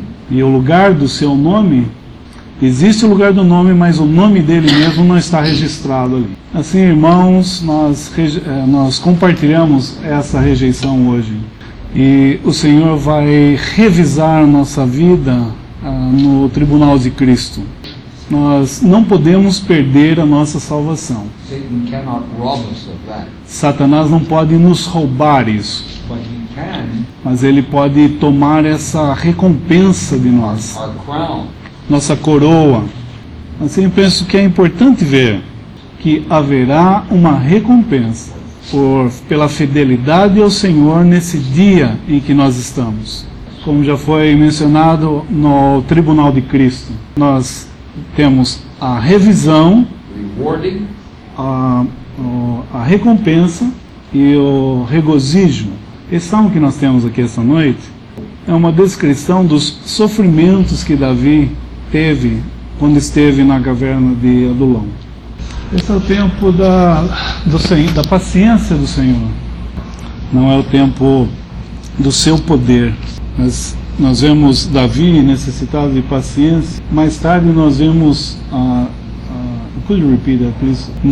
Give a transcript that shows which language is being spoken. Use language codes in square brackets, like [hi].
[pt] E o lugar do seu nome, existe o lugar do nome, mas o nome dele mesmo não está registrado ali. Assim, irmãos, nós compartilhamos essa rejeição hoje. E o Senhor vai revisar nossa vida no tribunal de Cristo. Nós não podemos perder a nossa salvação. [en] Satan cannot rob us of that. [pt] Satanás não pode nos roubar isso. [en] But he can, [pt] mas ele pode tomar essa recompensa de nós. [en] Our crown. [pt] Nossa coroa. Assim, penso que é importante ver que haverá uma recompensa pela fidelidade ao Senhor nesse dia em que nós estamos. Como já foi mencionado no tribunal de Cristo, nós temos a revisão, a recompensa e o regozijo. Esse salmo que nós temos aqui esta noite é uma descrição dos sofrimentos que Davi teve quando esteve na caverna de Adulão. Esse é o tempo da paciência do Senhor. Não é o tempo do seu poder. Mas nós vemos Davi necessitado de paciência. Mais tarde nós vemos [en] could you repeat that, please?